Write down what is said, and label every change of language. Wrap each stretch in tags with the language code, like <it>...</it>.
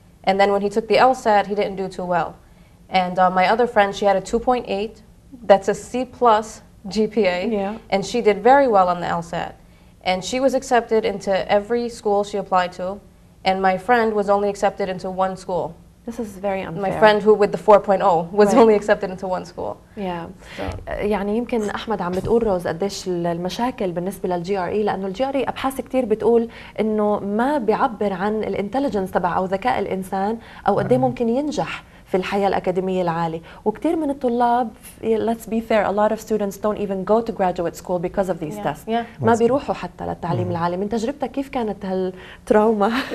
<en>And then when he took the LSAT, he didn't do too well. And my other friend, she had a 2.8. That's a C+ GPA. Yeah. And she did very well on the LSAT. And she was accepted into every school she applied to. And my friend was only accepted into one school. This is very unfair. My friend who with the 4.0 was only accepted into one school. Yeah.</en> <ar>يعني يمكن أحمد عم بتقول روز قديش المشاكل بالنسبة للGRE, لأنه الGRE أبحاث كتير بتقول إنه ما بيعبر عن الانتليجنس تبع أو ذكاء الإنسان أو قدي ممكن ينجح في الحياة الأكاديمية العالية. وكتير من الطلاب,</ar> <en>let's be fair, a lot of students don't even go to graduate school because of these tests. Yeah.</en> <ar>ما بيروحوا حتى للتعليم العالي. من تجربتك كيف كانت هالتراوما؟</ar>